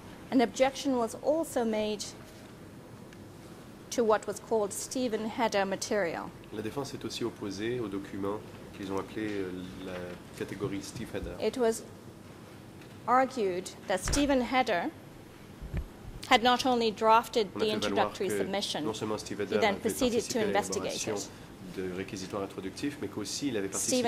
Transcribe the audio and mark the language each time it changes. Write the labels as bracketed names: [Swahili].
[English] An objection was also made to what was called Stephen Hedder material. [French] La défense est aussi opposée au document qu'ils ont appelé la catégorie Steve Hedder. [English] It was argued that Stephen Hedder had not only drafted the introductory submission, [French] non seulement Steve Hedder, [English] he then proceeded to investigate it. [French] De réquisitoire introductif, mais qu'aussi il avait participé